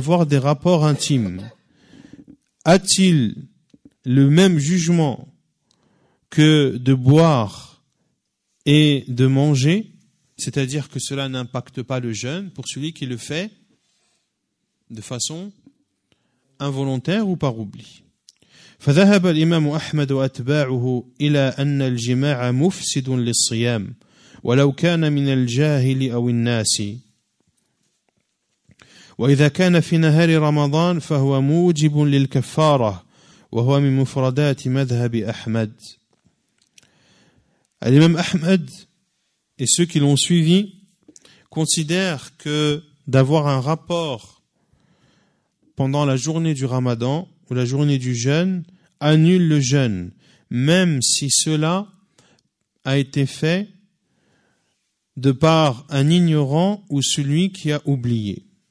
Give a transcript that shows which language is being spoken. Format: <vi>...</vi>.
<fr>D'avoir des rapports intimes, a-t-il le même jugement que de boire et de manger, c'est-à-dire que cela n'impacte pas le jeûne pour celui qui le fait de façon involontaire ou par oubli?</fr> <ar>فذهب الإمام أحمد وأتباعه إلى أن الجماع مفسد للصيام ولو كان من الجاهل أو الناس وإذا كان في نهار رمضان فهو موجب للكفارة وهو من مفردات مذهب أحمد.</ar> <fr>الإمام أحمد et ceux qui l'ont suivi considèrent que d'avoir un rapport pendant la journée du Ramadan ou la journée du jeûne annule le jeûne, même si cela a été fait de par un ignorant ou celui qui a oublié.</fr>